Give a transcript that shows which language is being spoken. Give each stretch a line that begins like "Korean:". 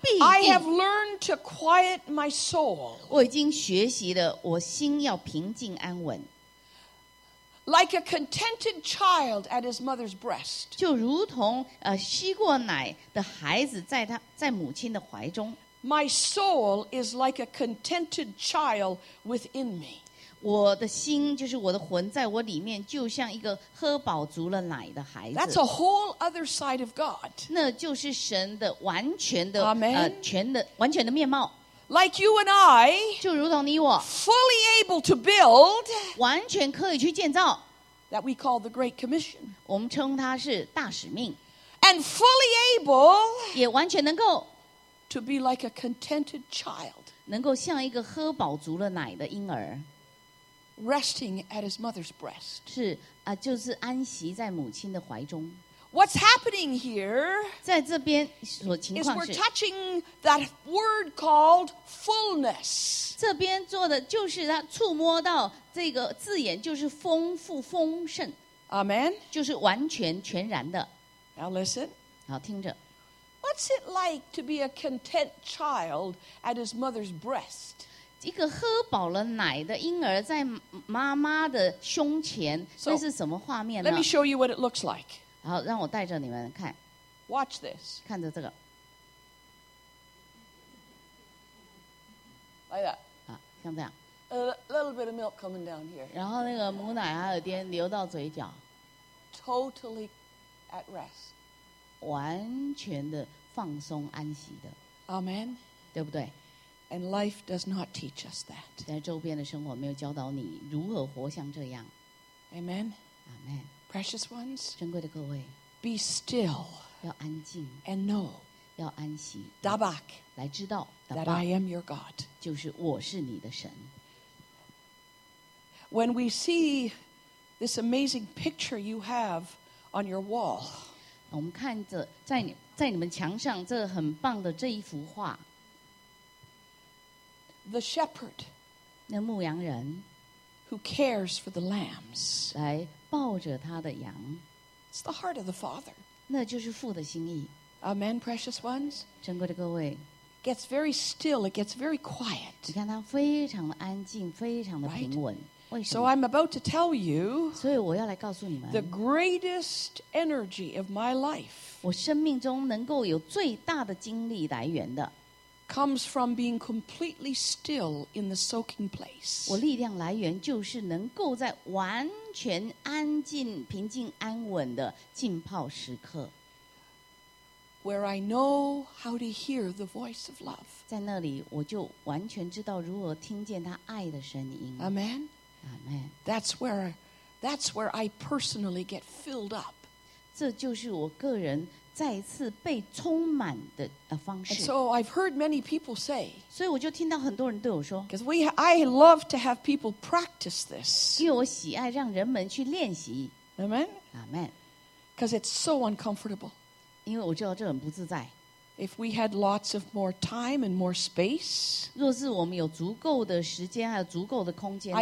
English: I have learned to quiet my soul.
Chinese: 我已经学习了，我心要平静安稳。
English: Like a contented child at his mother's breast.
Chinese: 就如同吸过奶的孩子在母亲的怀中。
English: My soul is like a contented child within me.
Chinese: 我的心就是我的魂在我里面就像一个喝饱足了奶的孩子。
English: That's a whole other side of God.
Chinese: 那就是神的完全的,
English: Amen.
Chinese: 完全的面貌。
English: Like you and I,
Chinese: 就如同你我,
English: fully able to build,
Chinese: 完全可以去建造,
English: that we call the Great Commission,
Chinese: 我们称它是大使命,
English: and fully able,
Chinese: 也完全能够,
English: to be like a contented child,
Chinese: 能够像一个喝饱足了奶的婴儿,
English: resting at his mother's breast,
Chinese: 是, 就是安息在母亲的怀中。
English: What's happening here?
Chinese: 在这边所情况是
English: is we're touching that word called fullness.
Chinese: 这边做的就是他触摸到这个字眼，就是丰富、丰盛。
English: Amen.
Chinese: 就是完全、全然的。
English: Now listen.
Chinese: 好，听着。
English: What's it like to be a content child at his mother's breast?
Chinese: 一个喝饱了奶的婴儿在妈妈的胸前，那是什么画面呢？
English: Let me show you what it looks like.
Chinese: 好，让我带着你们看。
English: Watch this.
Chinese: 看着这个。
English: Like that.
Chinese: 啊，像这样。
English: A little bit of milk coming down here.
Chinese: 然后那个母奶还有点流到嘴角。
English: Totally at rest.
Chinese: 完全的放松安息的。
English: Amen.
Chinese: 对不对？
English: And life does not teach us that.
Chinese: 在周边的生活没有教导你如何活像这样。
English: Amen. Amen. Precious ones,
Chinese: 珍贵的各位
English: be still,
Chinese: 要安静
English: and know,
Chinese: 要安息
Hebrew: Dabak,
Chinese: 来知道
English: that I am your God,
Chinese: 就是我是你的神
English: When we see this amazing picture you have on your wall,
Chinese: 我们看着在你们墙上这很棒的这一幅画
English: The shepherd,
Chinese: 那牧羊人
English: who cares for the lambs,
Chinese: 来抱着他的羊
English: It's the heart of the Father.
Chinese: 那就是父的心意
English: Amen, precious ones.
Chinese: 珍贵的各位
English: Gets very still, it gets very quiet.
Chinese: 你看他非常的安静非常的平稳
English: Right. So I'm about to tell you
Chinese: 所以我要来告诉你们
English: The greatest energy of my life
Chinese: 我生命中能够有最大的精力来源的
English: Comes from being completely still in the soaking place.
Chinese: 我力量来源就是能够在完全安静、平静、安稳的浸泡时刻
English: ，Where I know how to hear the voice of love，
Chinese: 在那里我就完全知道如何听见他爱的声音。
English: Amen， Amen。 That's where I personally get filled up。
Chinese: 这就是我个人再次被充满的方式。
English: And so I've heard many people say。
Chinese: 所以我就听到很多人对我说。
English: Because I love to have people practice this。
Chinese: 因为我喜爱让人们去练习。
English: Amen。 Amen。 Because it's so uncomfortable。
Chinese: 因为我知道这很不自在。
English: If we had lots of more time and more space。
Chinese: 若是我们有足够的时间还有足够的空间的话。